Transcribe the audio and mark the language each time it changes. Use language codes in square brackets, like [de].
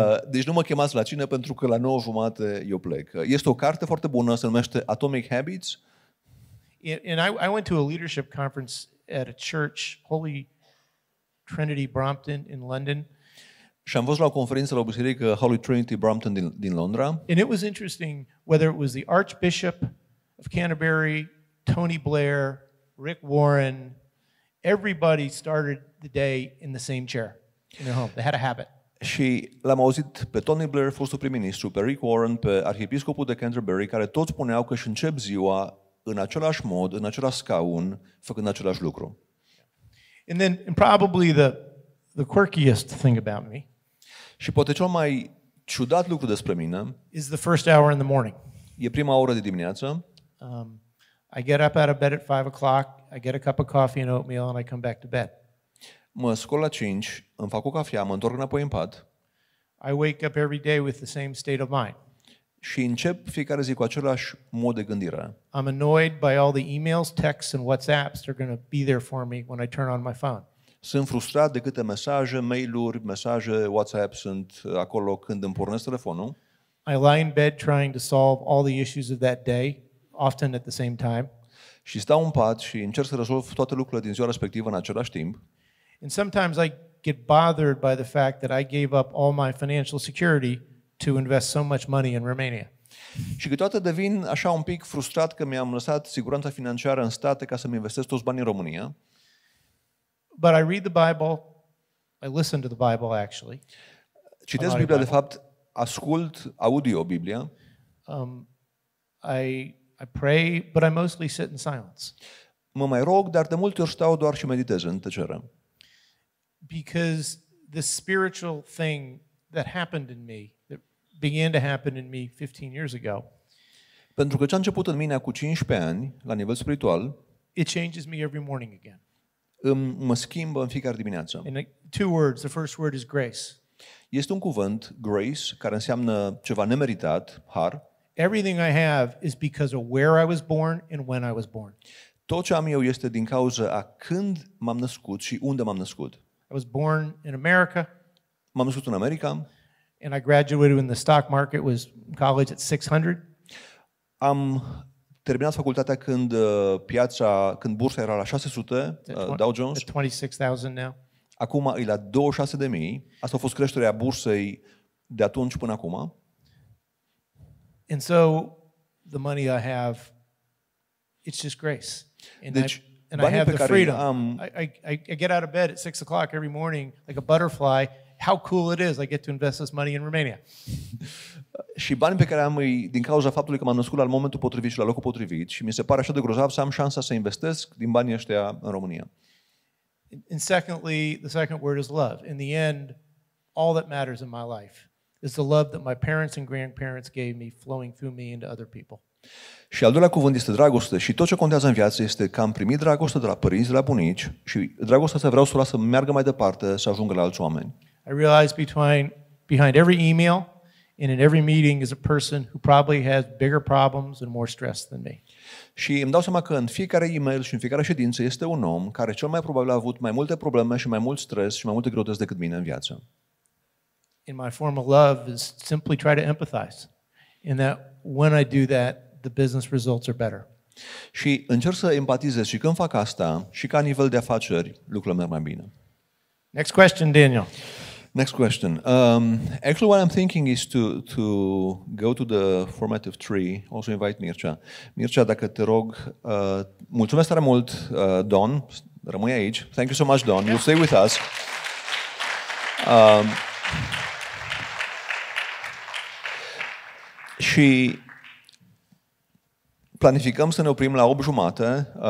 [ro] Deci nu mă chemați la cină pentru că la 9 jumate eu plec. Este o carte foarte bună, se numește Atomic Habits. [en] And I went to a leadership conference at a church, Holy Trinity Brompton in London. [ro] Și am fost la o conferință la o biserică Holy Trinity Brompton din Londra. [en] And it was interesting whether it was the Archbishop of Canterbury, Tony Blair, Rick Warren, everybody started the day in the same chair in their home. They had a habit. [ro] Și l-am auzit pe Tony Blair, fostul prim-ministru, pe Rick Warren, pe arhiepiscopul de Canterbury, care toți spuneau că își încep ziua în același mod, în același scaun, făcând același lucru. [en] And then and probably the quirkiest thing about me. [ro] Și poate cel mai ciudat lucru despre mine. [en] Is the first hour in the morning. [ro] E prima oră de dimineață. [en] I get up out of bed at 5:00. I get a cup of coffee and oatmeal and I come back to bed. [ro] Mă scol la 5, îmi fac o cafea, mă întorc înapoi în pat. [en] I wake up every day with the same state of mind. [ro] Și încep fiecare zi cu același mod de gândire. [en] I'm annoyed by all the emails, texts and WhatsApps that are going to be there for me when I turn on my phone. [ro] Sunt frustrat de câte mesaje, mail-uri, mesaje, WhatsApp sunt acolo când îmi pornesc telefonul. [en] I lie in bed trying to solve all the issues of that day, often at the same time. [ro] Și stau în pat și încerc să rezolv toate lucrurile din ziua respectivă în același timp. [en] And sometimes I get bothered by the fact that I gave up all my financial security to invest so much money in Romania. [ro] Și câteodată devin așa un pic frustrat că mi-am lăsat siguranța financiară în state ca să-mi investesc toți banii în România. [en] But I read the Bible. I listen to the Bible actually. [ro] Citesc Biblia, de fapt, ascult audio Biblia. [en] I pray, but I mostly sit in silence. [ro] Mă mai rog, dar de multe ori stau doar și meditez în tăcere. [en] Because the spiritual thing that happened in me, that began to happen in me 15 years ago. [ro] Pentru că ce a început în mine acum 15 ani la nivel spiritual, [en] it changes me every morning again. [ro] Mă schimbă în fiecare dimineață. [en] And two words, the first word is grace. [ro] Este un cuvânt, grace, care înseamnă ceva nemeritat, har. [en] Everything I have is because of where I was born and when I was born. [ro] Tot ce am eu este din cauza a când m-am născut și unde m-am născut. [en] I was born in America. [ro] M-am născut în America. [en] And I graduated when the stock market was college at 600. [ro] Am terminat facultatea când când bursa era la 600, Dow Jones. [en] At 26,000 now. [ro] Acum e la 26,000. Asta a fost creșterea bursei de atunci până acum. [en] And so the money I have, it's just grace. And, [ro] deci, [en] I have the freedom. I get out of bed at 6:00 every morning like a butterfly. How cool it is I get to invest this money in Romania. [ro] Și banii pe care am îi din cauza faptului că m-am născut la momentul potrivit și la locul potrivit și mi se pare așa de grozav să am șansa să investesc din banii ăștia în România. [en] And secondly, the second word is love. In the end, all that matters in my life is the love that my parents and grandparents gave me flowing through me into other people. [ro] Și al doilea cuvânt este dragoste și tot ce contează în viață este că am primit dragoste de la părinți, de la bunici și dragostea asta vreau să o las să meargă mai departe, să ajungă la alți oameni. [en] I realize behind every email and in every meeting is a person who probably has bigger problems and more stress than me. [ro] Și îmi dau seama că în fiecare email și în fiecare ședință este un om care cel mai probabil a avut mai multe probleme și mai mult stres și mai multe greutăți decât mine în viață. [en] In my form of love is simply try to empathize. In that when I do that, the business results are better. [ro] Și încerc să empatizez și când fac asta, și ca nivel de afaceri, lucrurile merg mai bine. [en] Next question, Daniel. Next question. Actually, what I'm thinking is to go to the formative tree. Also invite Mircea. [ro] Mircea, dacă te rog, mulțumesc tare mult, Don. Rămâi aici. [en] Thank you so much, Don. You'll stay with us. [ro] Și planificăm să ne oprim la 8:30.